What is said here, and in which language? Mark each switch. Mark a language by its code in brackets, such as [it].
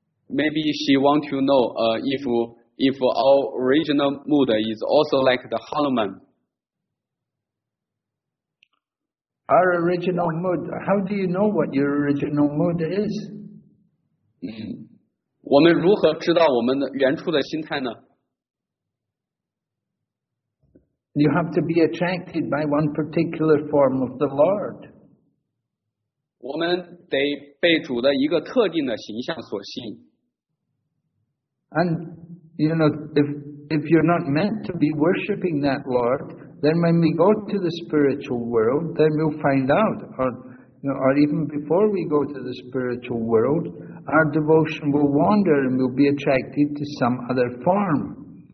[en] Maybe she wants to know if our original mood is also like the Hanuman. Our original mood. How do you know what your original mood is? [zh] 我们如何知道我们原初的心态呢？ [en] You have to be attracted by one particular form of the Lord. [zh] 我们得被主的一个特定的形象所吸引。 [en] And, you know, if you're not meant to be worshipping that Lord, then when we go to the spiritual world, then we'll find out, or even before we go to the spiritual world, our devotion will wander and we'll be attracted to some other form.